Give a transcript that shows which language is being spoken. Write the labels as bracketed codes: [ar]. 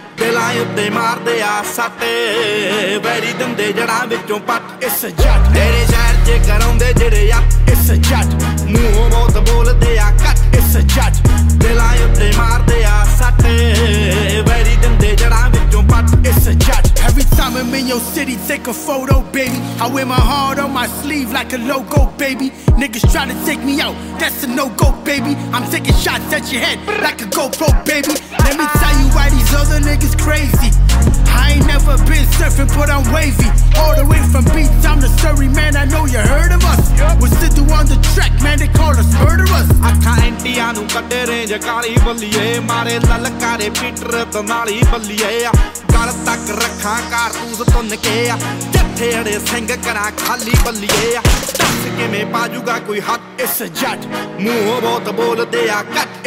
[pa] ਦਿਲਾਂ ਉੱਤੇ ਮਾਰਦੇ ਆ ਸੱਟੇ ਵੈਰੀ ਦਿੰਦੇ ਜੜਾਂ ਵਿੱਚੋਂ ਪੱਟ ਇਸ ਜੱਟ ਤੇਰੇ ਸ਼ਹਿਰ ਚ ਕਰਾਉਂਦੇ ਜਿਹੜੇ ਆ ਇਸ ਜੱਟ ਮੂੰਹੋਂ ਬਹੁਤ ਬੋਲਦੇ ਆ ਕੱਟ ਇਸ ਜੱਟ ਦਿਲਾਂ ਉੱਤੇ ਮਾਰਦੇ ਆ ਸੱਟੇ ਵੈਰੀ ਦਿੰਦੇ ਜੜਾਂ ਵਿੱਚੋਂ ਪੱਟ ਇਸ ਜੱਟ [en] Every time I'm in your city, take a photo, baby. I wear my heart on my sleeve like a logo, baby. Niggas try to take me out, that's a no-go, baby. I'm taking shots at your head like a GoPro, baby. Let me tell you why these other niggas crazy. I ain't never been surfing, but I'm wavy. All the way from Beats, I'm the Surrey man, I know you heard of us. We're sitting on the track, man, they call us murderers. [pa] ਨੂੰ ਕੱਢੇ range ਕਾਲੀ ਬੱਲੀਏ ਮਾਰੇ ਲਲਕਾਰੇ Peter ਤਨਾਲੀ ਬੱਲੀਏ ਗਲ ਤੱਕ ਰੱਖਾਂ ਕਾਰਤੂਸ ਤੁੰਨ ਕੇ ਆ ਜੱਥੇ ਅੜੇ ਸਿੰਘ ਕਰਾਂ ਖਾਲੀ ਬੱਲੀਏ ਦੱਸ ਕਿਵੇਂ ਪਾਜੂਗਾ ਕੋਈ ਹੱਥ ਇਸ ਜੱਟ ਮੂੰਹ ਬਹੁਤ ਬੋਲਦੇ ਆ ਕੱਟ